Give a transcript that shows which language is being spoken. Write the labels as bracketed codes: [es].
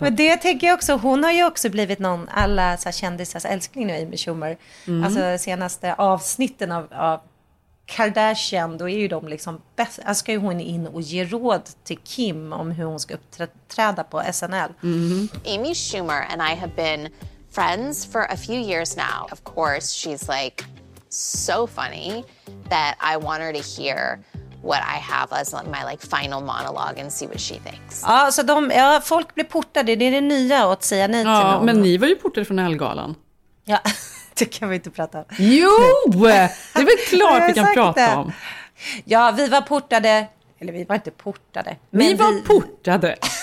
[sv] Men det tänker jag också. Hon har ju också blivit någon alla så kändisars älskling nu, Amy Schumer. Mm. Alltså senaste avsnitten av Kardashian, då är ju de liksom bäst. Alltså ska ju hon in och ge råd till Kim om hur hon ska uppträda på SNL. [en] Amy Schumer and I have been friends for a few years now. Of course, she's like so funny that I want her to hear what I have as my like final monologue and see what she thinks. [sv] Ja, så de, ja, folk blir portade. Det är det nya att säga nej till någon. Ja, men ni var ju portade från Ellegalan. Ja. Det kan vi inte prata om. Jo, det är väl klart vi kan prata om. Ja, vi var portade. Eller vi var inte portade. Men vi var portade.